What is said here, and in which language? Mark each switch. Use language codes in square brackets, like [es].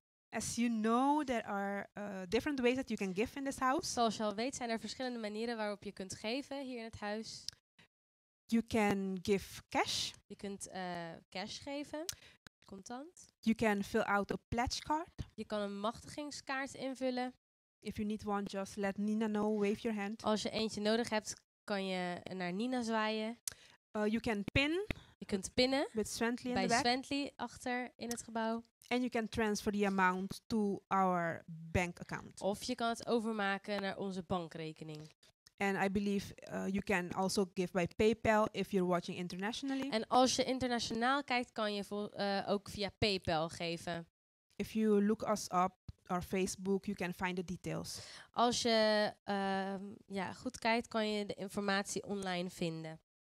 [en] As you know, there are different ways that you can give in this house. [nl] Zoals je al weet, zijn er verschillende manieren waarop je kunt geven hier in het huis. [en] You can give cash. [nl] Je kunt cash geven, contant. [en] You can fill out a pledge card. [nl] Je kan een machtigingskaart invullen. [en] If you need one, just let Nina know, wave your hand. [nl] Als je eentje nodig hebt, kan je naar Nina zwaaien. [en] You can pin. [nl] Je kunt pinnen [en] with Swently [nl] bij Swently achter in het gebouw. [en] And you can transfer the amount to our bank account. [nl] Of je kan het overmaken naar onze bankrekening. [en] And I believe you can also give by PayPal if you're watching internationally. [nl] En als je internationaal kijkt, kan je ook via PayPal geven. [en] If you look us up or Facebook, you can find the details. [nl] Als je goed kijkt, kan je de informatie online vinden.